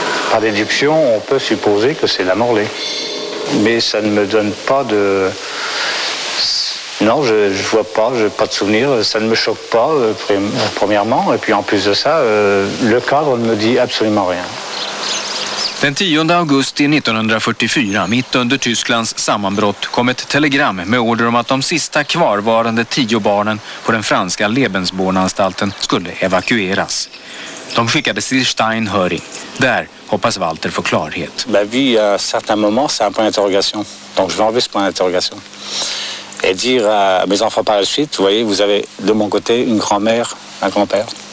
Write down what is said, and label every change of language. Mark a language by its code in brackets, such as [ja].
[fr] Par déduction, on peut supposer que c'est la Morlaix. Mais ça ne me donne pas de... Non, je ne vois pas, je n'ai pas de souvenir. Ça ne me choque pas, premièrement. Et puis en plus de ça, le cadre ne me dit absolument rien. [sv] Den 10 augusti 1944, mitt under Tysklands sammanbrott, kom ett telegram med order om att de sista kvarvarande 10 barnen på den franska Lebensborn-anstalten skulle evakueras. De skickades till Steinhöring. Där hoppas Walter få klarhet. [fr] Ben, vi à certains moments, c'est un point d'interrogation. Donc je vais enlever ce point d'interrogation. Et dire à mes enfants par la suite, vous voyez, vous avez de mon côté une grand-mère, un grand-père.